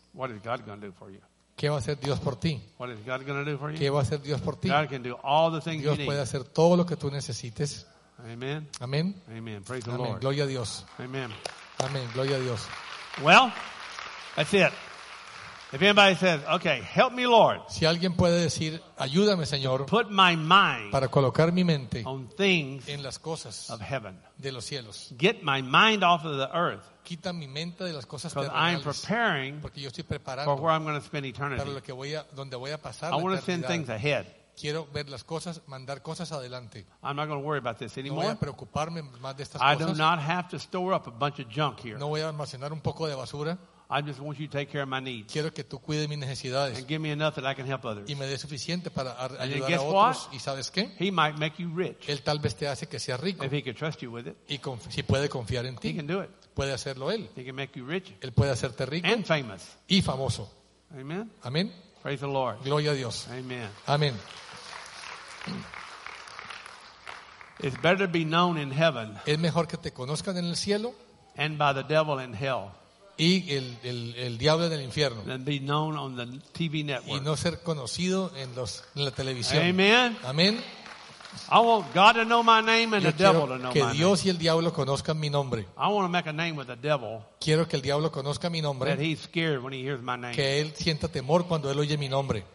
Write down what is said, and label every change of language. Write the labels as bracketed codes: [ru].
[en] What is God going to do for you? [es] ¿Qué va a hacer Dios por ti? [en] What is God going to do for you? [es] ¿Qué va a hacer Dios por ti? [en] God can do all the things you need. [es] Dios puede hacer todo lo que tú necesites. [en] Amen. [es] Amen. [en] Amen. Praise the Lord. [es] Gloria a Dios. [en] Amen. [es] Amen. Gloria a Dios. [en] Well, that's it. If anybody says, "Okay, help me, Lord." [es] Si alguien puede decir, "Ayúdame, Señor." [en] Put my mind [es] para colocar mi mente [en] on things [es] en las cosas [en] of heaven, [es] de los cielos. [en] Get my mind off of the earth. [es] Quita mi mente de las cosas terrenales. [en] I'm preparing [es] porque yo estoy preparando [en] for where I'm going to spend eternity. [es] Para lo que voy a donde voy a pasar. [en] I want to send things ahead. [es] Quiero ver las cosas, mandar cosas adelante. [en] I'm not going to worry about this anymore. [es] No voy a preocuparme más de estas [en] I [es] cosas. [en] I do not have to store up a bunch of junk here. [es] No voy a almacenar un poco de basura. [en] I just want you to take care of my needs. [es] Quiero que tú cuides mis necesidades. [en] And give me enough that I can help others. [es] Y me dé suficiente para ayudar [en] and guess [es] a otros. [en] What? [es] ¿Y sabes qué? [en] He might make you rich. [es] Él tal vez te hace que seas rico. [en] If he can trust you with it. [es] Y si puede confiar en ti. [en] He can do it. [es] Puede hacerlo él. [en] He can make you rich. [es] Él puede hacerte rico. [en] And famous. [es] Y famoso. [en] Amen. [es] Amén. [en] Praise the Lord. [es] Gloria a Dios. [en] Amen. [es] Amen. [en] It's better to be known in heaven. [es] Es mejor que te conozcan en el cielo. [en] And by the devil in hell. [es] Y el diablo del infierno. [en] Than be known on the TV network. [es] Y no ser conocido en la televisión. [en] Amen. [es] Amen. [en] I want God to know my name and the devil to know my name. [es] Que Dios y el diablo conozcan mi nombre. [en] I want to make a name with the devil. [es] Quiero que el diablo conozca mi nombre. [en] That he's scared when he hears my name. [es] Que él sienta temor cuando él oye mi nombre.